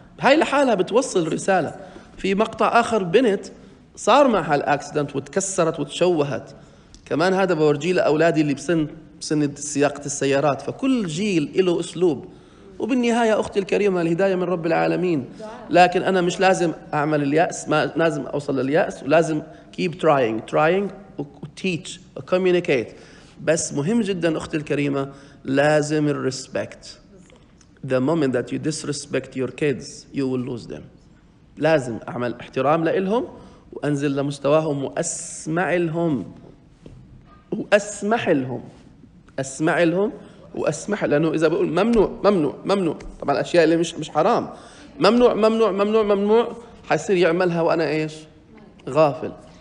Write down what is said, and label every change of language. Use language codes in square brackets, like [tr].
[ar] هاي لحالها بتوصل رسالة. في مقطع آخر بنت صار معها الأكسيدنت وتكسرت وتشوهت، كمان هذا بورجيه لأولادي اللي بسن سياقة السيارات. فكل جيل له أسلوب. وبالنهاية أختي الكريمة الهداية من رب العالمين، لكن أنا مش لازم أعمل اليأس، ما لازم أوصل لليأس، ولازم keep trying trying وteach وcommunicate. بس مهم جدا أختي الكريمة، لازم الrespect. [en] The moment that you disrespect your kids, you will lose them. [ar] لازم أعمل احترام لإلهم وأنزل لمستواهم وأسمع لهم وأسمح لهم، أسمع لهم وأسمح، لأنه إذا بقول ممنوع ممنوع ممنوع، طبعا الأشياء اللي مش حرام، ممنوع ممنوع ممنوع ممنوع، حيصير يعملها وأنا إيش غافل.